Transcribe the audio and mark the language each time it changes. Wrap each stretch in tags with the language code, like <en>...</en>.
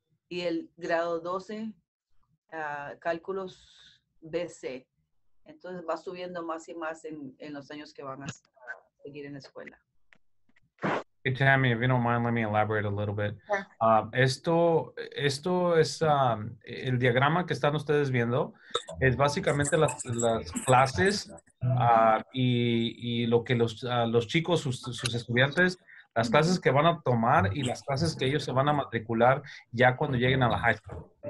<es>Y el grado 12, cálculos BC. Entonces va subiendo más y más en los años que van a seguir en la escuela.</es> <en>Hey, Tammy, if you don't mind, let me elaborate a little bit. Sure.</en> <es>Esto es el diagrama que están ustedes viendo. Es básicamente las clases y lo que los chicos, sus estudiantes, las clases que van a tomar y las clases que ellos se van a matricular ya cuando lleguen a la high school.</es>